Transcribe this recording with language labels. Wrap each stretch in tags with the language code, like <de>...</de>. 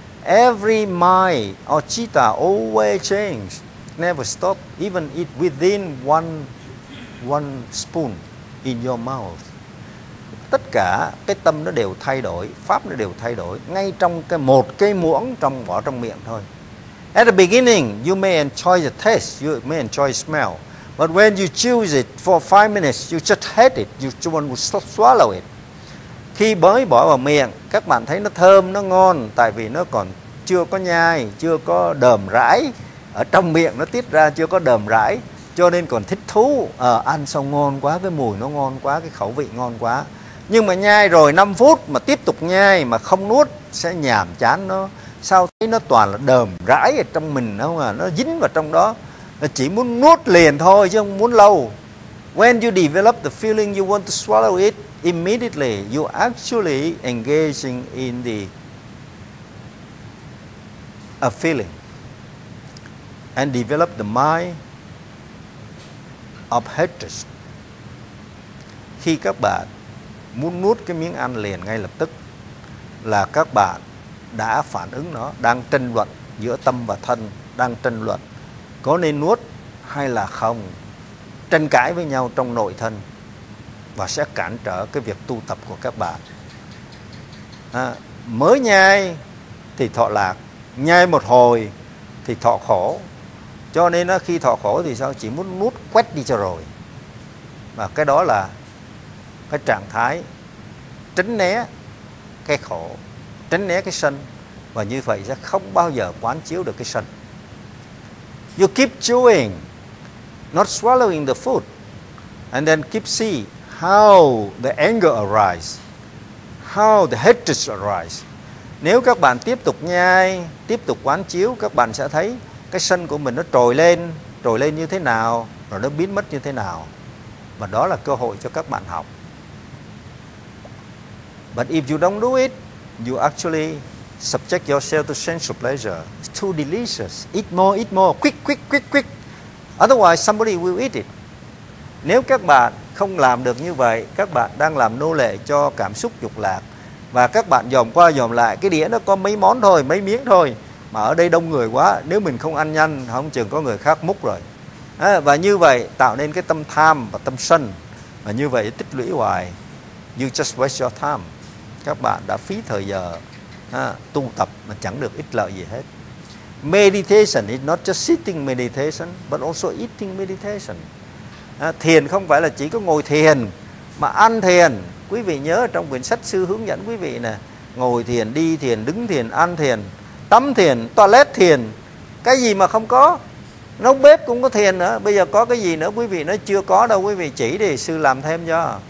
<en>Every mind or citta always change, never stop, even eat within one spoon in your mouth.</en> <vi>Tất cả cái tâm nó đều thay đổi, pháp nó đều thay đổi ngay trong cái một cái muỗng trong bỏ trong miệng thôi.</vi> <en>At the beginning, you may enjoy the taste, you may enjoy the smell, but when you chew it for 5 minutes, you just hate it, you just want to swallow it.</en> <vi>Khi mới bỏ vào miệng, các bạn thấy nó thơm, nó ngon, tại vì nó còn chưa có nhai, chưa có đờm rãi. Ở trong miệng nó tiết ra chưa có đờm rãi, cho nên còn thích thú. Ăn xong ngon quá, cái mùi nó ngon quá, cái khẩu vị ngon quá. Nhưng mà nhai rồi 5 phút mà tiếp tục nhai mà không nuốt sẽ nhàm chán nó. Sao thấy nó toàn là đờm rãi ở trong mình, không à? Nó dính vào trong đó. Nó chỉ muốn nuốt liền thôi chứ không muốn lâu.</vi> <en>When you develop the feeling you want to swallow it, immediately you actually engaging in a feeling and develop the mind of hatred.</en> <vi>Khi các bạn muốn nuốt cái miếng ăn liền ngay lập tức là các bạn đã phản ứng nó, đang tranh luận giữa tâm và thân, đang tranh luận có nên nuốt hay là không, tranh cãi với nhau trong nội thân. Và sẽ cản trở cái việc tu tập của các bạn. Mới nhai thì thọ lạc, nhai một hồi thì thọ khổ. Cho nên khi thọ khổ thì sao? Chỉ muốn nuốt quét đi cho rồi. Và cái đó là cái trạng thái tránh né cái khổ, tránh né cái sân. Và như vậy sẽ không bao giờ quán chiếu được cái sân.</vi> <en>You keep chewing, not swallowing the food, and then keep see how the anger arise, how the hatred arise.</en> <vi>Nếu các bạn tiếp tục nhai, tiếp tục quán chiếu, các bạn sẽ thấy cái sân của mình nó trồi lên như thế nào, rồi nó biến mất như thế nào. Và đó là cơ hội cho các bạn học.</vi> <en>But if you don't do it, you actually subject yourself to sensual pleasure. It's too delicious. Eat more, quick, quick, quick, quick. Otherwise, somebody will eat it.</en> <vi>Nếu các bạn không làm được như vậy, các bạn đang làm nô lệ cho cảm xúc dục lạc. Và các bạn dòm qua dòm lại, cái đĩa nó có mấy món thôi, mấy miếng thôi. Mà ở đây đông người quá, nếu mình không ăn nhanh, không chừng có người khác múc rồi. Và như vậy tạo nên cái tâm tham và tâm sân. Và như vậy tích lũy hoài.</vi> <en>You just waste your time.</en> <vi>Các bạn đã phí thời giờ tu tập mà chẳng được ích lợi gì hết.</vi> <en>Meditation is not just sitting meditation, but also eating meditation.</en> <vi>Thiền không phải là chỉ có ngồi thiền, mà ăn thiền. Quý vị nhớ trong quyển sách sư hướng dẫn quý vị nè, ngồi thiền, đi thiền, đứng thiền, ăn thiền, tắm thiền, toilet thiền, cái gì mà không có. Nấu bếp cũng có thiền nữa. Bây giờ có cái gì nữa quý vị, nó chưa có đâu quý vị, chỉ đi sư làm thêm cho.</vi>